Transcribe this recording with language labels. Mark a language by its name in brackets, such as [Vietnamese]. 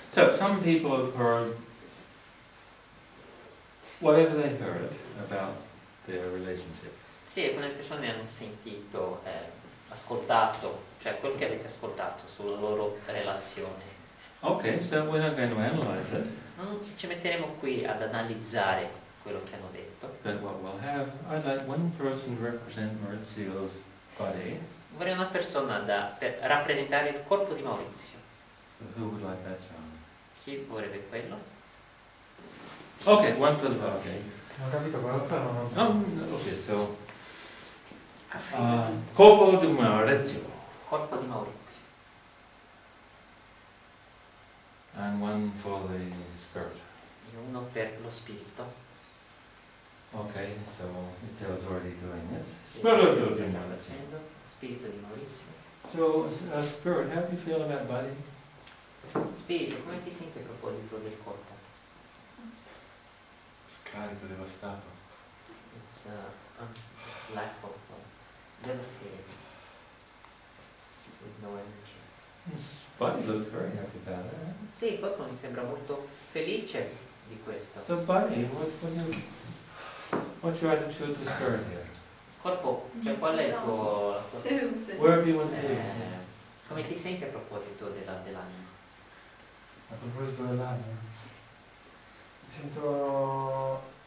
[English] Some people have heard whatever they heard about their relationship. [Italian] Sì, alcune persone hanno sentito, ascoltato, cioè quel che avete ascoltato sulla loro relazione. [English] Okay, so we're not going to analyze it. [Italian] Non ci metteremo qui ad analizzare quello che hanno detto. [English] But what we'll have, I'd like one person to represent Maurizio's body. [Italian] Vorrei una persona da per rappresentare il corpo di Maurizio. [English] So who would like that job? [Italian] Chi vorrebbe quello? [English] Ok, one for the party. [Italian] Non ho capito qualcosa, ma non [English] Ok, so. [Italian] Corpo di Maurizio. Corpo di Maurizio. [English] And one for the spirit. [Italian] E uno per lo spirito. [English] Okay, so it was already doing it. Spirit of the Maurizio. Spirit of Maurizio. So, Spirit, how do you feel about body? [Italian] Spirito, come ti senti a proposito del corpo? Scarico, devastato. [English] It's lack of devastating. With no energy. Body looks very happy about that. [Italian] Sì, il corpo mi sembra molto felice di questo. [English] So, body, what's your attitude to Spirit here? [Italian] Corpo, cioè qual è il tuo... [English] Where have you been? [Italian] Come ti senti a proposito dell'anima? A proposito dell'anima? Mi sento...